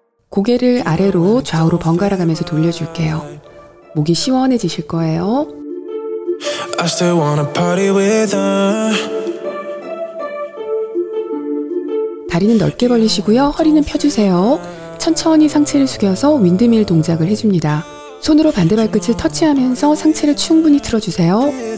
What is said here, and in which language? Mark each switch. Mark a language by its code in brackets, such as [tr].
[ko] 고개를 아래로 좌우로 번갈아 가면서 돌려줄게요. 목이 시원해지실 거예요. [en] I still wanna party with her. [ko] 다리는 넓게 벌리시고요. 허리는 펴주세요. 천천히 상체를 숙여서 윈드밀 동작을 해줍니다. 손으로 반대 발끝을 터치하면서 상체를 충분히 틀어주세요.